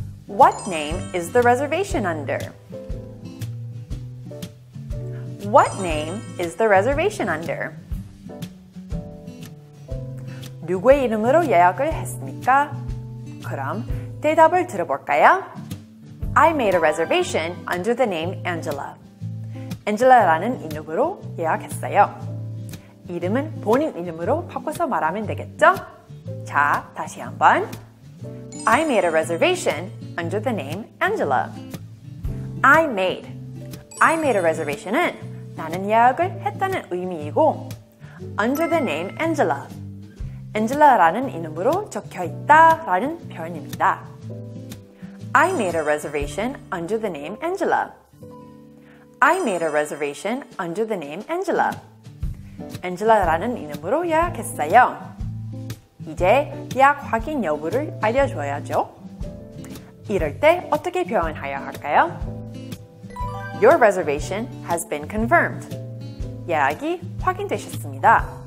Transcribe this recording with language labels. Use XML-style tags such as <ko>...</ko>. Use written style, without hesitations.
<en>What name is the reservation under? What name is the reservation under?</en> <ko>누구의 이름으로 예약을 했습니까? 그럼 대답을 들어볼까요?</ko> <en>I made a reservation under the name Angela.</en> <ko>Angela라는 이름으로 예약했어요. 이름은 본인 이름으로 바꿔서 말하면 되겠죠? 자, 다시 한번.</ko> <en>I made a reservation under the name Angela. I made a reservation은</en> <ko>나는 예약을 했다는 의미이고</ko> <en>under the name Angela.</en> <ko>엔젤라라는 이름으로 적혀있다 라는 표현입니다.</ko> <en>I made a reservation under the name Angela. I made a reservation under the name Angela.</en> <ko>엔젤라라는 이름으로 예약했어요. 이제 예약 확인 여부를 알려줘야죠. 이럴 때 어떻게 표현해야 할까요?</ko> <en>Your reservation has been confirmed.</en> <ko>예약이 확인되셨습니다.</ko>